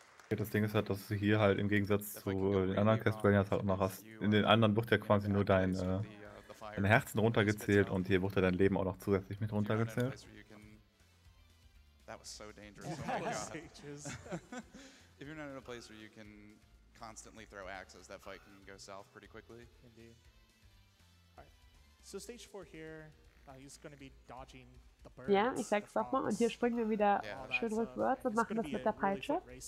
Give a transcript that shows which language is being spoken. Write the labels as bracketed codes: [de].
[de] Ja, das Ding ist halt, dass du hier halt im Gegensatz zu den anderen Castlevanias halt auch noch hast. In den anderen wird ja quasi nur dein Herzen runtergezählt und hier wird ja dein Leben auch noch zusätzlich mit runtergezählt. [en] That was so dangerous. Oh my god. If you're not in a place where you can constantly throw axes, that fight can go south pretty quickly. Indeed. Alright. So stage 4 here, he's gonna be dodging the birds. [de] Ja, ich sag's nochmal, und hier springen wir wieder schön rückwärts und machen das mit der Peitsche.